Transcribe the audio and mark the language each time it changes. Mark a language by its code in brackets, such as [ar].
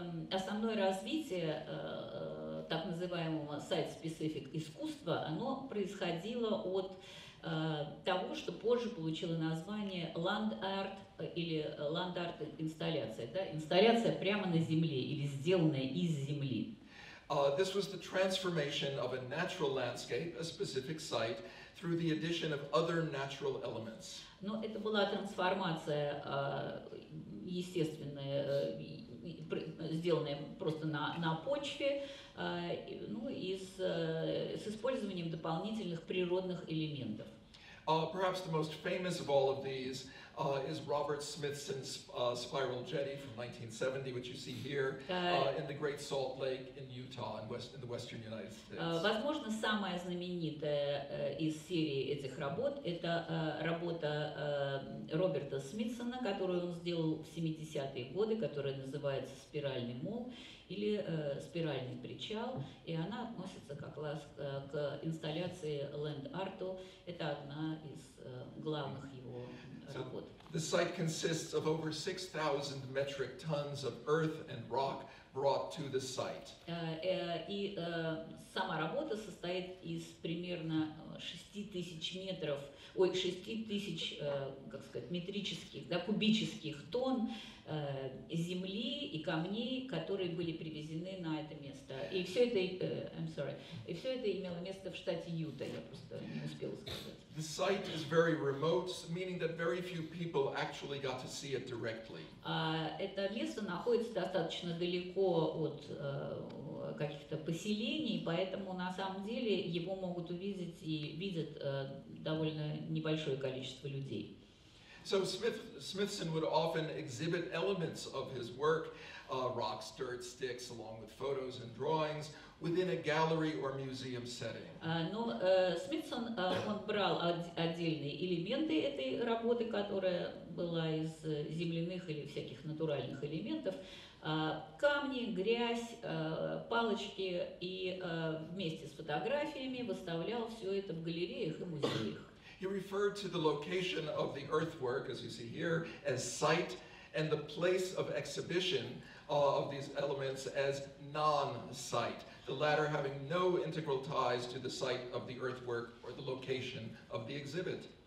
[ru] Основное развитие так называемого site-specific искусства, оно происходило от того, что позже получило название land art или land art инсталляция, да, инсталляция прямо на земле или сделанная из земли. [en] This was the transformation of a natural landscape, a specific site, through the addition of other natural elements. [ru] Но это была трансформация естественная, сделанная просто на почве, ну и с использованием дополнительных природных элементов. [en] Perhaps the most famous of all of these is Robert Smithson's spiral jetty from 1970, which you see here in the Great Salt Lake in Utah, in the western United States. [ru] Возможно, самая знаменитая из серии этих работ – это работа Роберта Смитсона, которую он сделал в 70-е годы, которая называется «Спиральный мол» или «Спиральный причал», и она относится как раз к инсталляции «Land Art-у». Это одна из главных его работ. [en] The site consists of over 6,000 metric tons of earth and rock brought to the site. [ru] И сама работа состоит из примерно 6000 метров, 6000, как сказать, метрических, да, кубических тонн земли и камней, которые были привезены на это место. И все это, и все это имело место в штате Юта, я просто не успела сказать. [en] The site is very remote, meaning that very few people actually got to see it directly. [ru] Это место находится достаточно далеко от каких-то поселений, поэтому на самом деле его могут увидеть и видят довольно небольшое количество людей. [en] So Smithson would often exhibit elements of his work, rocks, dirt, sticks, along with photos and drawings, within a gallery or museum setting. [ru] Но Смитсон, он брал отдельные элементы этой работы, которая была из земляных или всяких натуральных элементов, камни, грязь, палочки, и вместе с фотографиями выставлял все это в галереях и музеях. [en] He referred to the location of the earthwork, as you see here, as site, and the place of exhibition of these elements as non-site, the latter having no integral ties to the site of the earthwork or the location of the exhibit.